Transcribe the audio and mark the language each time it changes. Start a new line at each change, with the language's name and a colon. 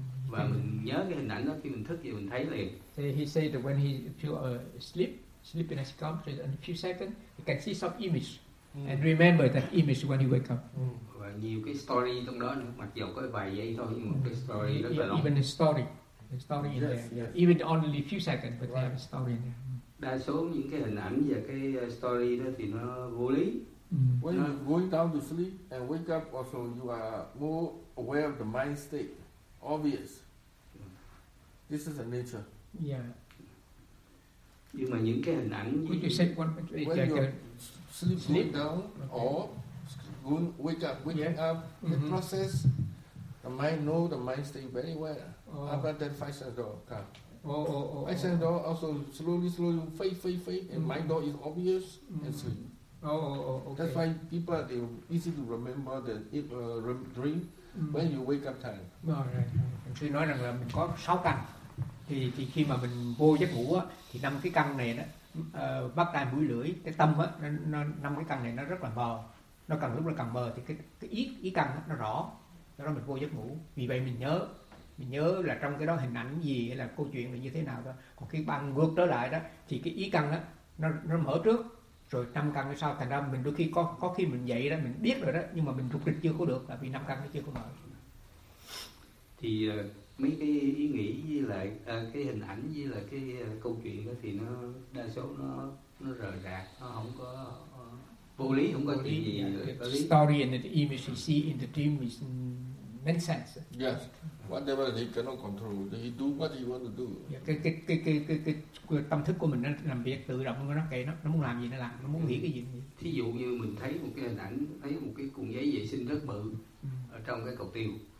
Vietnamese: Và mình nhớ cái hình ảnh đó khi mình thức thì mình thấy liền.
English: So he said that when he feel asleep, sleepiness comes in a few seconds, he can see some image and remember that image when he wake up.
Vietnamese: Và nhiều cái story trong đó, mặc dù có vài giây thôi nhưng một cái story rất là long.
English: Even the story in there. Yes. Even only a few seconds, but they have a story in there.
Vietnamese: Đa số những cái hình ảnh và cái story đó thì nó vô lý.
English: When you're going down to sleep and wake up, also you are more aware of the mind state. Obvious. This is the nature. Yeah.
Vietnamese: Nhưng mà những cái hình ảnh
English: như you said one, when you're sleep down okay. Or waking up, mm-hmm. The process, the mind know the mind stay very well. Oh. About that five sense door come. Oh. Five sense door also slowly fade, and mind door is obvious and sleep. Okay. That's why people are easy to remember the dream. When you wake up time. Right.
Vietnamese: Sư nói rằng là mình có 6 căn. Thì khi mà mình vô giấc ngủ á, thì năm cái căn này đó, mắt tai mũi lưỡi, cái tâm á, năm cái căn này nó rất là mờ. Nó càng lúc nó càng mờ thì cái ý căn đó, nó rõ. Đó là mình vô giấc ngủ. Vì vậy mình nhớ là trong cái đó hình ảnh gì hay là câu chuyện là như thế nào đó. Còn cái băng ngược trở lại đó thì cái ý căn đó nó mở trước rồi năm căn sau, thành ra mình đôi khi có khi mình dậy đó mình biết rồi đó nhưng mà mình rục rịch chưa có được là vì năm căn nó chưa có mở. Thì mấy cái ý nghĩ với lại cái hình ảnh với lại cái câu chuyện đó thì nó đa số nó rời rạc, nó không có vô lý, không có gì
English: story and the image you see in the dream is many senses. Yes, whatever he cannot control, he do what he want to do.
Vietnamese: Cái tâm thức của mình nó làm việc tự động, nó kệ nó muốn làm gì nó làm, nó muốn nghĩ cái gì. Thí dụ như mình thấy một cái hình ảnh, thấy một cái cuộn giấy vệ sinh rất bự ở trong cái cầu tiêu.